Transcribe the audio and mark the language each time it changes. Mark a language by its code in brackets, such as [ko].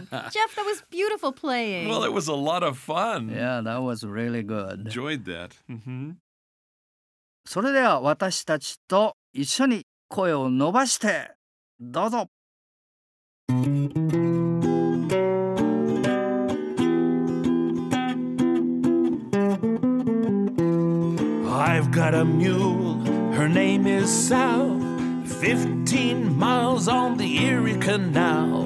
[en] Jeff, that was beautiful playing. Well, it was a lot of fun. Yeah, that was really good. Enjoyed that. [ja] それでは私たちと一緒に声を伸ばしてどうぞ。 [en] I've got a mule, her name is Sal. 15 miles on the Erie Canal.